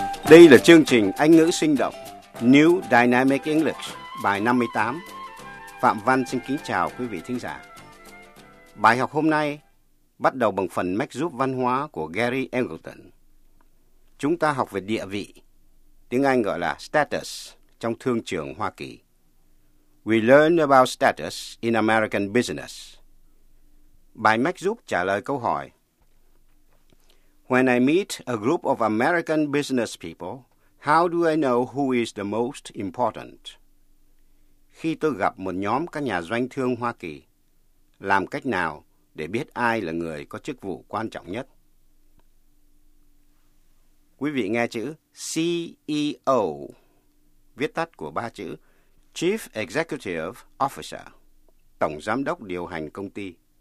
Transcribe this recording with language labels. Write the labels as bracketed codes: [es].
[vi] Đây là chương trình Anh ngữ sinh động New Dynamic English bài 58. Phạm Văn xin kính chào quý vị thính giả. Bài học hôm nay bắt đầu bằng phần mách giúp văn hóa của Gary Engleton. Chúng ta học về địa vị, tiếng Anh gọi là status, trong thương trường Hoa Kỳ. [en] We learn about status in American business. [vi] Bài mách giúp trả lời câu hỏi: [en] When I meet a group of American business people, how do I know who is the most important? [vi] Khi tôi gặp một nhóm các nhà doanh thương Hoa Kỳ, làm cách nào để biết ai là người có chức vụ quan trọng nhất? Quý vị nghe chữ CEO, viết tắt của ba chữ Chief Executive Officer, Tổng Giám đốc điều hành công ty.